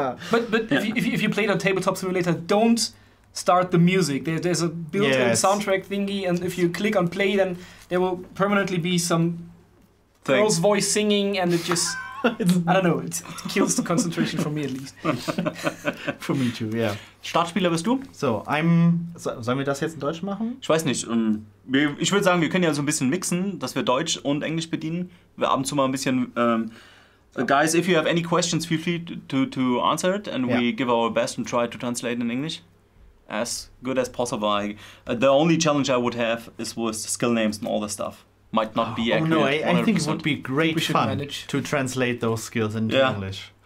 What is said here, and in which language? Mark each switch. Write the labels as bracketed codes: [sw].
[en] But if you played a tabletop simulator, don't start the music. There's a built-in soundtrack thingy, and if you click on play, then there will permanently be some girl's voice singing, and it just... I don't know, it kills the concentration for me at least. For me too, yeah. [de] Startspieler bist du? So, sollen wir das jetzt in Deutsch machen? Ich weiß nicht. Ich würde sagen, wir können ja so ein bisschen mixen, dass wir Deutsch und Englisch bedienen. Wir ab und zu mal ein bisschen... [en] guys, if you have any questions, feel free to answer it, and we give our best and try to translate in English. As good as possible. The only challenge I would have is with skill names and all that stuff. Might not be accurate. Oh no, I think it would be great fun to translate those skills into English.